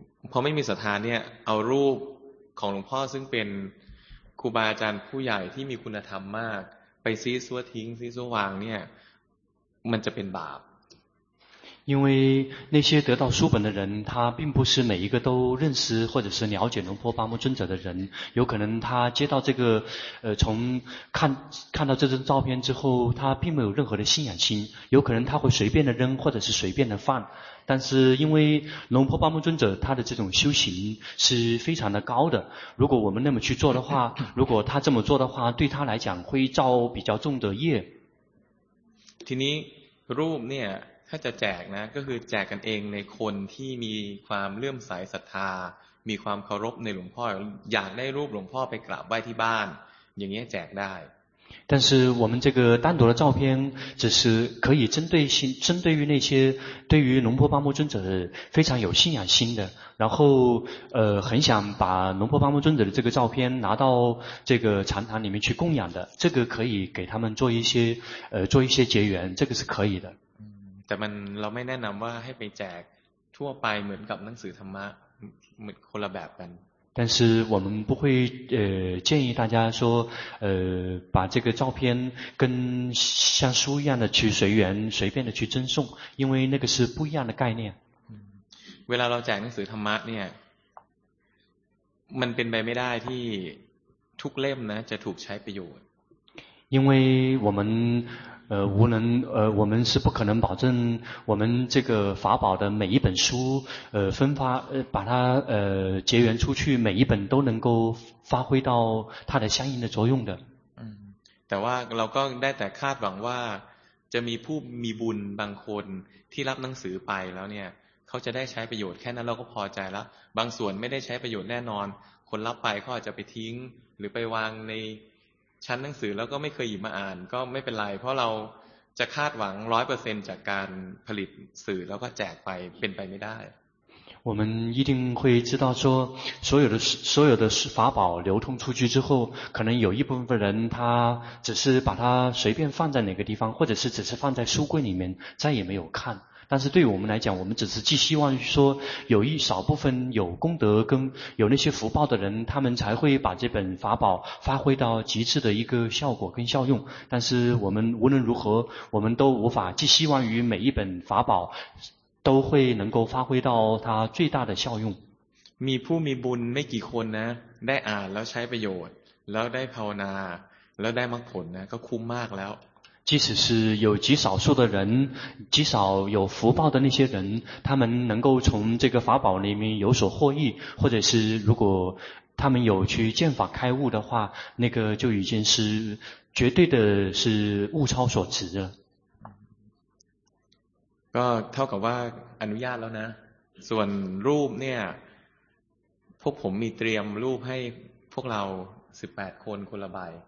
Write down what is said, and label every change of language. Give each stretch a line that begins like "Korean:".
Thai: พอไม่มีศรัทธาเนี่ยเอารูปของหลวงพ่อซึ่งเป็นครูบาอาจารย์ผู้ใหญ่ที่มีคุณธรรมมากไปซีซัวทิ้งซีซัววางเนี่ยมันจะเป็นบาป
Chinese: 因为那些得到书本的人，他并不是每一个都认识或者是了解龙婆巴木尊者的人，有可能他接到这个从看到这张照片之后，他并没有任何的信仰心，有可能他会随便的扔或者是随便的放，但是因为龙婆巴木尊者他的这种修行是非常的高的，如果我们那么去做的话，如果他这么做的话，对他来讲会造比较重的业。
Thai: ที่นี้รูปเนี่ยถ้าจะแจกนะก็คือแจกกันเองในคนที่มีความเลื่อมใสศรัทธามีความเคารพในหลวงพ่ออยากได้รูปหลวงพ่อไปกราบไหว้ที่บ้านอย่างนี้แจกได้
Chinese: 但是我们这个单独的照片只是可以针对于那些对于龙婆巴木尊者非常有信仰心的，然后很想把龙婆巴木尊者的这个照片拿到这个禅堂里面去供养的，这个可以给他们做一些结缘，这个是可以的。嗯，但我们没
Thai: แนะนำว่าให้ไปแจกทั่วไปเหมือนกับหนังสือธรรมะเหมือนคนละแบบกัน。
Chinese: 但是我们不会建议大家说把这个照片跟像书一样的去随缘随便的去赠送，因为那个是不一样的概念。嗯，
Thai: เวลาเราแจกหนังสือธรรมะเนี่ยมันเป็นไปไม่ได้ที่ทุกเล่มนะจะถูกใช้ประโยชน์
Chinese: 因为我们我们是不可能保证我们这个法宝的每一本书分发把它结缘出去，每一本都能够发挥到它的相应的作用的。
Thai: 嗯，แต่ว่าเราก็ได้แต่คาดหวังว่าจะมีผู้มีบุญบางคนที่รับหนังสือไปแล้วเนี่ยเขาจะได้ใช้ประโยชน์แค่นั้นเราก็พอใจแล้วบางส่วนไม่ได้ใช้ประโยชน์แน่นอนคนรับไปก็อาจจะไปทิ้งหรือไปวางในชั้นหนังสือแล้วก็ไม่เคยหยิบมาอ่านก็ไม่เป็นไรเพราะเราจะคาดหวัง 100% จากการผลิตสื่อแล้วก็แจกไปเป็นไปไม่ได้
Chinese: 我们一定会知道说所有的法宝流通出去之后，可能有一部分人他只是把它随便放在哪个地方，或者是只是放在书柜里面再也没有看，但是对于我们来讲，我们只是寄希望说有一少部分有功德跟有那些福报的人，他们才会把这本法宝发挥到极致的一个效果跟效用，但是我们无论如何我们都无法寄希望于每一本法宝都会能够发挥到它最大的效用。
Thai: มีผู้มีบุญไม่กี่คนนะได้อ่านแล้วใช้ประโยชน์แล้วได้ภาวนาแล้วได้มรรคผลนะก็คุ้มมากแล้ว。
Chinese: 即使是有极少数的人，极少有福报的那些人，他们能够从这个法宝里面有所获益，或者是如果他们有去见法开悟的话，那个就已经是绝对的是物超所值了。
Thai: ก็เท่ากับว่าอนุญาตแล้วนะส่วนรูปเนี่ยพวกผมมีเตรียมรูปให้พวกเรา18คนคนละใบ